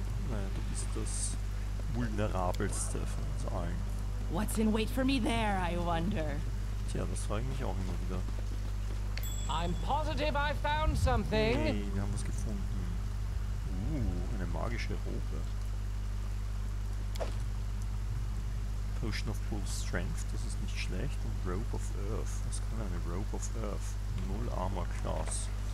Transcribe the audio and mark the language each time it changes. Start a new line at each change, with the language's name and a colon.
German: Naja, du bist das vulnerabelste von uns allen.
English: What's in wait for me there, I wonder?
German: Tja, das frage ich mich auch immer wieder.
English: I'm positive I found something.
German: Hey, wir haben was gefunden. Eine magische Robe. Potion of Full Strength, das ist nicht schlecht. Und Robe of Earth, was kann eine Robe of Earth? Null Armor Class.